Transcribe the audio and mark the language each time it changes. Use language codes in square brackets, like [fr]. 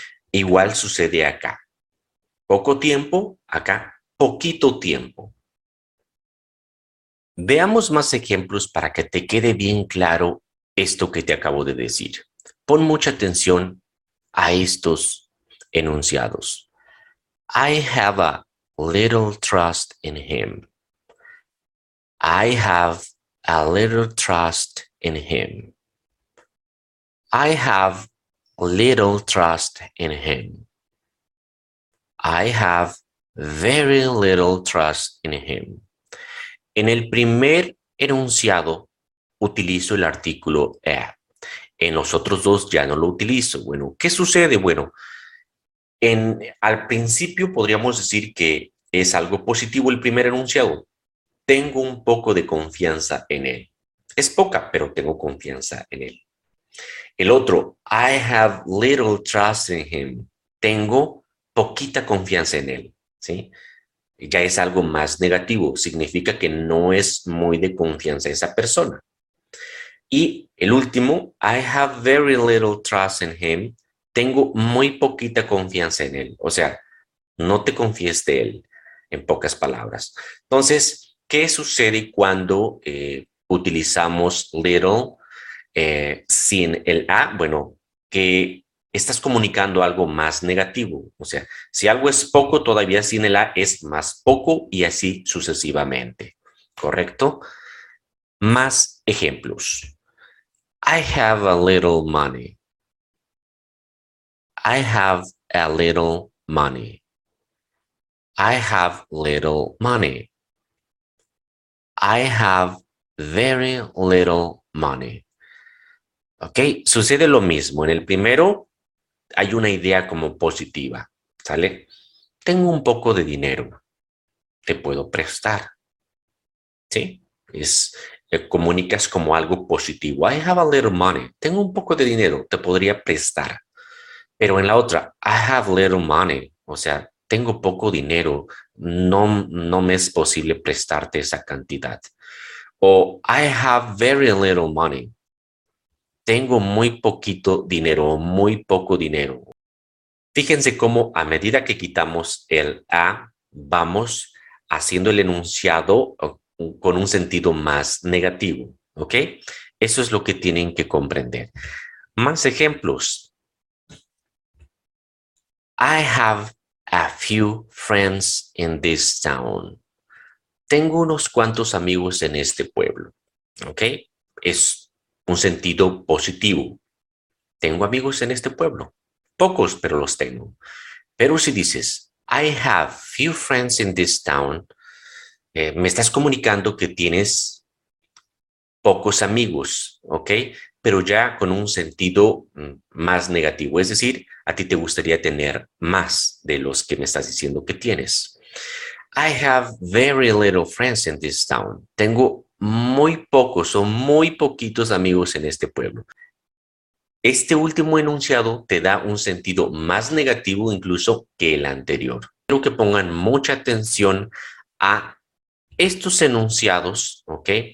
[es] Igual sucede acá. Poco tiempo, acá, poquito tiempo. Veamos más ejemplos para que te quede bien claro esto que te acabo de decir. Pon mucha atención a estos enunciados. [en] I have a little trust in him. I have a little trust in him. I have little trust in him. I have very little trust in him. [es] En el primer enunciado utilizo el artículo a. En los otros dos ya no lo utilizo. Bueno, ¿qué sucede? Bueno, al principio podríamos decir que es algo positivo el primer enunciado. Tengo un poco de confianza en él. Es poca, pero tengo confianza en él. El otro, [en] I have little trust in him. [es] Tengo poquita confianza en él, ¿sí? Ya es algo más negativo. Significa que no es muy de confianza esa persona. Y el último, [en] I have very little trust in him. [es] Tengo muy poquita confianza en él. O sea, no te confíes de él, en pocas palabras. Entonces, ¿qué sucede cuando utilizamos little sin el a? Bueno, que estás comunicando algo más negativo. O sea, si algo es poco, todavía sin el a es más poco y así sucesivamente. ¿Correcto? Más ejemplos. [en] I have a little money. I have a little money. I have little money. I have very little money. [es] Ok, sucede lo mismo. En el primero hay una idea como positiva. ¿Sale? Tengo un poco de dinero. Te puedo prestar. ¿Sí? Comunicas como algo positivo. [en] I have a little money. [es] Tengo un poco de dinero. Te podría prestar. Pero en la otra, [en] I have little money. [es] O sea, tengo poco dinero. No me es posible prestarte esa cantidad. [en] O I have very little money. [es] Tengo muy poquito dinero o muy poco dinero. Fíjense cómo a medida que quitamos el a, vamos haciendo el enunciado con un sentido más negativo. ¿Ok? Eso es lo que tienen que comprender. Más ejemplos. [en] I have a few friends in this town. [es] Tengo unos cuantos amigos en este pueblo. ¿Ok? Es un sentido positivo. Tengo amigos en este pueblo. Pocos, pero los tengo. Pero si dices, [en] I have few friends in this town, [es] me estás comunicando que tienes pocos amigos. ¿Ok? Pero ya con un sentido más negativo. Es decir, a ti te gustaría tener más de los que me estás diciendo que tienes. [en] I have very little friends in this town. [es] Tengo muy pocos o muy poquitos amigos en este pueblo. Este último enunciado te da un sentido más negativo incluso que el anterior. Quiero que pongan mucha atención a estos enunciados, ¿ok?